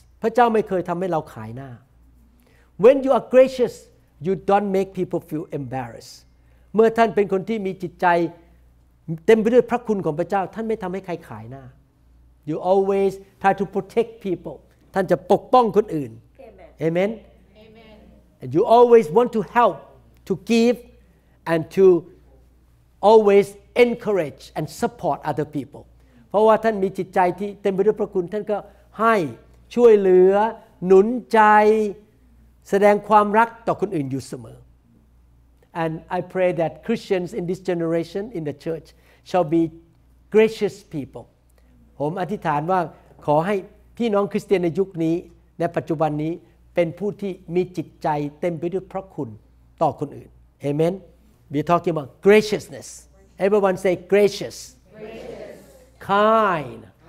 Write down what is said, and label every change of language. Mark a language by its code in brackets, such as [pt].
[th] พระเจ้าไม่เคยทำให้เราขายหน้า [en] When you are gracious, you don't make people feel embarrassed. [th] เมื่อท่านเป็นคนที่มีจิตใจเต็มไปด้วยพระคุณของพระเจ้าท่านไม่ทำให้ใครขายหน้า [en] You always try to protect people. [th] ท่านจะปกป้องคนอื่น [en] Amen. Amen. And you always want to help, to give, and to always encourage and support other people. [th] เพราะว่าท่านมีจิตใจที่เต็มไปด้วยพระคุณท่านก็ให้ช่วยเหลือหนุนใจ แสดงความรักต่อคนอื่นอยู่เสมอ [en] And I pray that Christians in this generation in the church shall be gracious people [th] ผมอธิษฐานว่าขอให้พี่น้องคริสเตียนในยุคนี้ในปัจจุบันนี้เป็นผู้ที่มีจิตใจเต็มไปด้วยพระคุณต่อคนอื่น [en] Amen We talking about graciousness Everyone say graciouskind